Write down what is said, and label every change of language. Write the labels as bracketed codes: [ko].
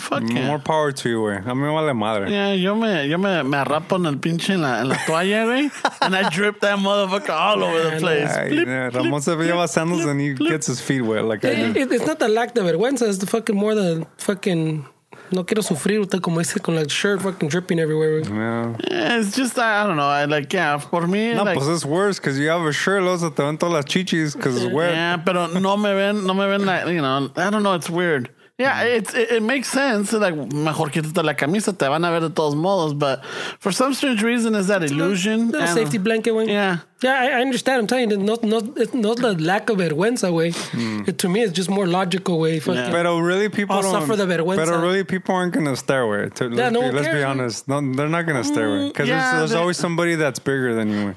[en] Fuck more yeah. More power to you, güey. [es] A mí me vale madre. Yeah, yo me arrapo en el pinche en la toalla, güey. [en] And I drip that motherfucker all over the place. Yeah, Ramón [es] se lleva [en] sandals and he gets his feet wet, like I did. It's not the lack of vergüenza, it's the fucking more the fucking. [es] No quiero sufrir usted como dice con la shirt [en] fucking dripping everywhere. Yeah. Yeah, it's just, I don't know. I like, yeah, for me. No, like, pues it's worse because you have a shirt, [es] los te ven todas las chichis [en] because it's wet. Yeah, [es] pero no me ven [en] like, you know, I don't know. It's weird. Yeah, it makes sense. Like, [es] mejor quítate la camisa, te van a ver de todos modos. [en] But for some strange reason, is that illusion? A safety blanket, güey. Yeah. Yeah, I understand. I'm telling you, it's not the lack of vergüenza, güey. To me, it's just more logical, güey. Yeah. Pero really, people I'll don't suffer the vergüenza. Pero really, people aren't going to stare, güey. Let's be honest. No, they're not going to stare, güey. Because yeah, there's always somebody that's bigger than you.